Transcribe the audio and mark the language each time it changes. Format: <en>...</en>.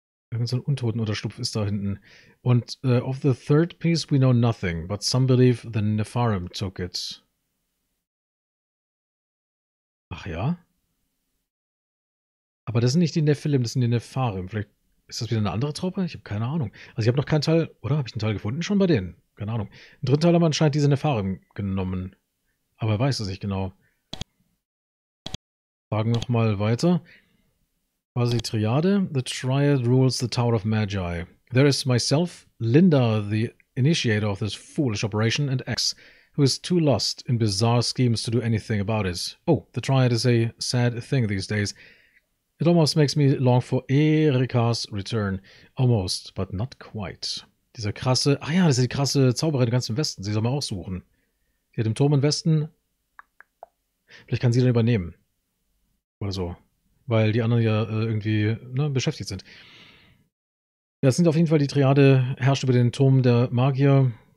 <de>Irgend so ein Untotenunterschlupf ist da hinten.</de> <en>Und of the third piece we know nothing, but some believe the Nefarim took it.</en> <de>Ach ja? Aber das sind nicht die Nephilim, das sind die Nefarim. Vielleicht ist das wieder eine andere Truppe? Ich habe keine Ahnung. Also ich habe noch keinen Teil, oder? Habe ich einen Teil gefunden schon bei denen? Keine Ahnung. Im dritten Teil haben wir anscheinend diese Nefarim genommen. Aber er weiß es nicht genau. Fragen wir nochmal weiter. Quasi Triade.</de> <en>The Triad rules the Tower of Magi. There is myself, Linda, the initiator of this foolish operation, and X, who is too lost in bizarre schemes to do anything about it. Oh, the Triad is a sad thing these days. It almost makes me long for Erika's return. Almost, but not quite.</en> <de>Dieser krasse, ah ja, das ist die krasse Zauberin ganz im Westen. Sie soll mal aussuchen. Die hat im Turm im Westen. Vielleicht kann sie dann übernehmen. Oder so. Weil die anderen ja irgendwie beschäftigt sind. Ja, es sind auf jeden Fall die Triade, herrscht über den Turm der Magier.</de>